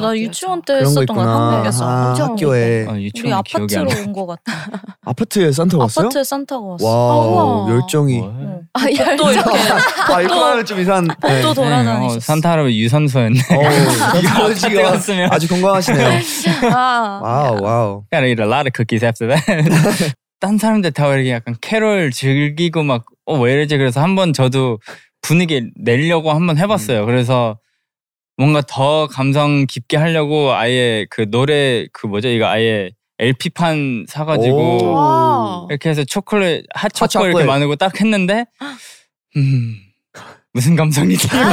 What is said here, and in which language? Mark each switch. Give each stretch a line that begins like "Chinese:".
Korean: 나 유치원 때 했었던 것 같아요. 한국에서 학교에 우리 아파트로 온 것 같아. 아파트에 산타가 왔어요? 아파트에 산타가 왔어. 와우 열정이. 복도 이렇게. 이거는 좀 이상한. 복도 돌아다니시죠. 산타 할아버지 유산소였네. 아파트에 왔으면. 아주 건강하시네요. 와우.
English: Got to eat a lot of cookies after that.
Korean: 딴 사람들 다 이렇게 약간 캐롤 즐기고 막 왜 이러지? 그래서 한번 저도 분위기 내려고 한번 해봤어요. 그래서 뭔가 더 감성 깊게 하려고 아예 그 노래 그 뭐죠? 이거 아예 LP판 사가지고 이렇게 해서 초콜릿, 핫초코 이렇게 많고 딱 했는데 무슨 감성이지?